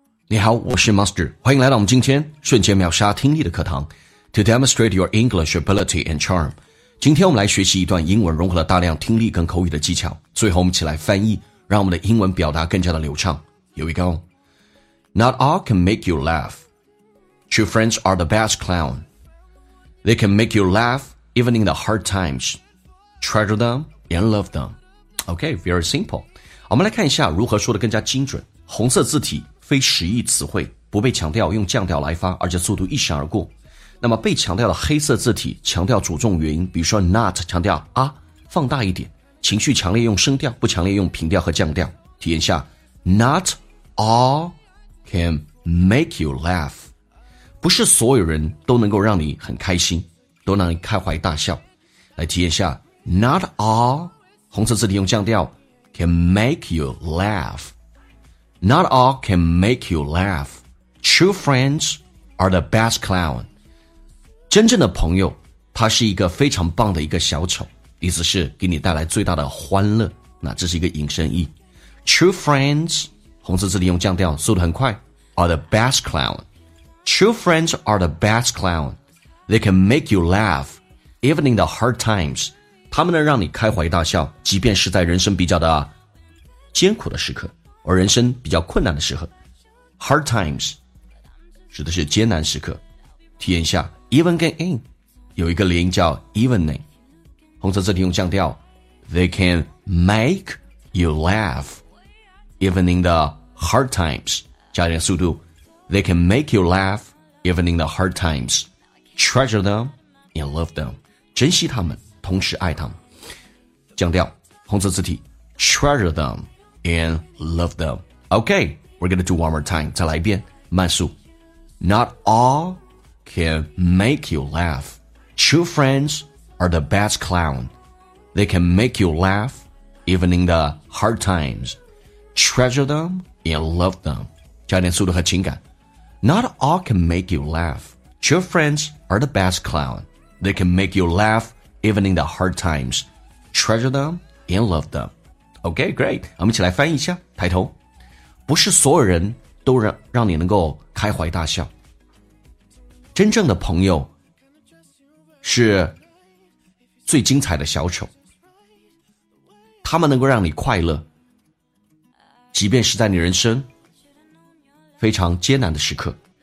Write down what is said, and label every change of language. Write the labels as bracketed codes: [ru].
[zh] 你好，我是 Master， 欢迎来到我们今天瞬间秒杀听力的课堂。 [en] To demonstrate your English ability and charm， [zh] 今天我们来学习一段英文，融合了大量听力跟口语的技巧，最后我们起来翻译，让我们的英文表达更加的流畅。 [en] Here we go. Not all can make you laugh. True friends are the best clown. They can make you laugh even in the hard times. Treasure them and love them. OK, very simple. [zh] 我们来看一下如何说的更加精准。红色字体，非实意词汇，不被强调，用降调来发，而且速度一闪而过。那么被强调的黑色字体，强调主重元音，比如说 not 强调啊，放大一点，情绪强烈用升调，不强烈用平调和降调。体验一下 [en] Not all can make you laugh， [zh] 不是所有人都能够让你很开心，都能开怀大笑。来体验一下 [en] Not all [zh] 红色字体用降调 [en] can make you laughNot all can make you laugh. True friends are the best clown. [zh] 真正的朋友，他是一个非常棒的一个小丑，意思是给你带来最大的欢乐。那这是一个引申义。 [en] True friends, [zh] 红色字体用降调，速度很快， [en] are the best clown. True friends are the best clown. They can make you laugh, even in the hard times. [zh] 他们能让你开怀大笑，即便是在人生比较的艰苦的时刻。而人生比较困难的时刻 Hard times 指的是艰难时刻。体验一下 [en] Even 跟 in [zh] 有一个连音叫 [en] evening， [zh] 红色字体用降调 [en] They can make you laugh Even in the hard times， [zh] 加点速度 [en] They can make you laugh Even in the hard times Treasure them and love them， [zh] 珍惜他们同时爱他们。降调红色字体 [en] Treasure themAnd love them. Okay, we're gonna do one more time. [zh] 再来一遍，慢速。 [en] Not all can make you laugh. True friends are the best clown. They can make you laugh even in the hard times. Treasure them and love them. [zh] 加点速度和情感。 [en] Not all can make you laugh. True friends are the best clown. They can make you laugh even in the hard times. Treasure them and love them. OK, great. [zh] 我们一起来翻译一下。抬头，不是所有人都 让你能够开怀大笑。真正的朋友是最精彩的小丑，他们能够让你快乐，即便是在你人生非常艰难的时刻。